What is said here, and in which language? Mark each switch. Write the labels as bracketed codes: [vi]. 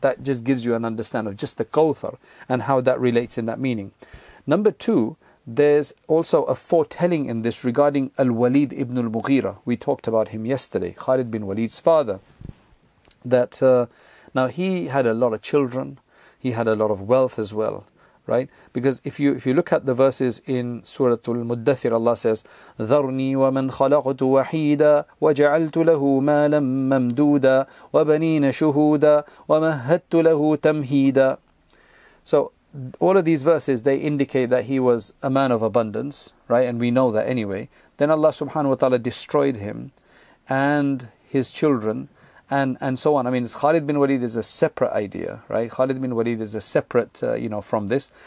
[en] That just gives you an understanding of just the kawthar and how that relates in that meaning. Number two, there's also a foretelling in this regarding Al-Walid ibn al-Mughira. We talked about him yesterday, Khalid bin Walid's father. That now he had a lot of children, he had a lot of wealth as well. Right? Because if you look at the verses in Surah Al-Muddathir, Allah says, [ar] ذَرْنِي وَمَنْ خَلَقْتُ وَحِيدًا وَجَعَلْتُ لَهُ مَالًا مَمْدُودًا وَبَنِينَ شُهُودًا وَمَهَّدْتُ لَهُ تَمْهِيدًا. [en] So all of these verses, they indicate that he was a man of abundance, right? And we know that anyway. Then Allah subhanahu wa ta'ala destroyed him and his children and so on. I mean, it's Khalid bin Walid is a separate idea, right? Khalid bin Walid is a separate, you know, from this.